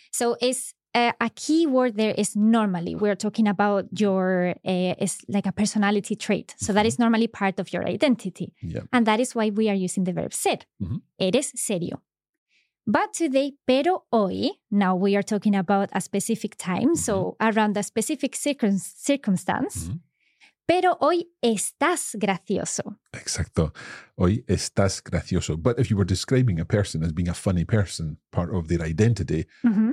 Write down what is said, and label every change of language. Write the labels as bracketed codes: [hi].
[en] So it's a key word there is normally. We're talking about your, it's like a personality trait. So that is normally part of your identity. Yeah. And that is why we are using the verb ser. Mm-hmm. [es] Eres serio. [en] But today, [es] pero hoy, [en] now we are talking about a specific time, mm-hmm. so around a specific circumstance. Mm-hmm. [es] Pero hoy estás gracioso. Exacto. Hoy estás gracioso. [en] But if you were describing a person as being a funny person, part of their identity, mm-hmm.